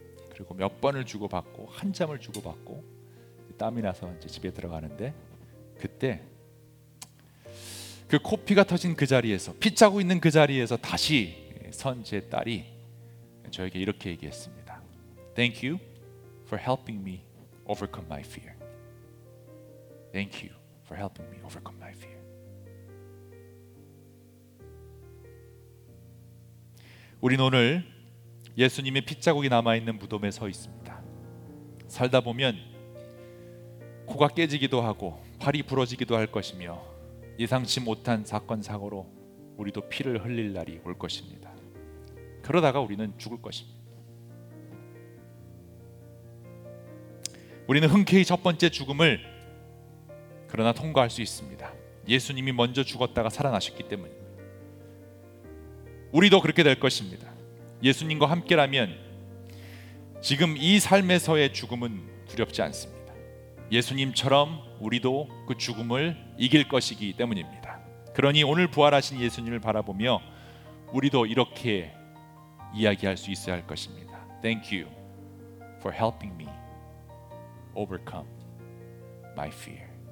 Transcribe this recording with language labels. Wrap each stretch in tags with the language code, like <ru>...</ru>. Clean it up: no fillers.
<ko>그리고 몇 번을 주고받고 한 잠을 주고받고 땀이 나서 이제 집에 들어가는데 그때 그 코피가 터진 그 자리에서 피 짜고 있는 그 자리에서 다시 선 제 딸이 저에게 이렇게 얘기했습니다.</ko> <en>Thank you for helping me overcome my fear. Thank you for helping me overcome my fear.</en> <ko>우린 오늘 예수님의 핏자국이 남아있는 무덤에 서 있습니다. 살다 보면 코가 깨지기도 하고 팔이 부러지기도 할 것이며 예상치 못한 사건 사고로 우리도 피를 흘릴 날이 올 것입니다. 그러다가 우리는 죽을 것입니다. 우리는 흔쾌히 첫 번째 죽음을 그러나 통과할 수 있습니다. 예수님이 먼저 죽었다가 살아나셨기 때문입니다. 우리도 그렇게 될 것입니다. 예수님과 함께라면 지금 이 삶에서의 죽음은 두렵지 않습니다. 예수님처럼 우리도 그 죽음을 이길 것이기 때문입니다. 그러니 오늘 부활하신 예수님을 바라보며 우리도 이렇게 이야기할 수 있어야 할 것입니다.</ko> <en>Thank you for helping me overcome my fear.</en>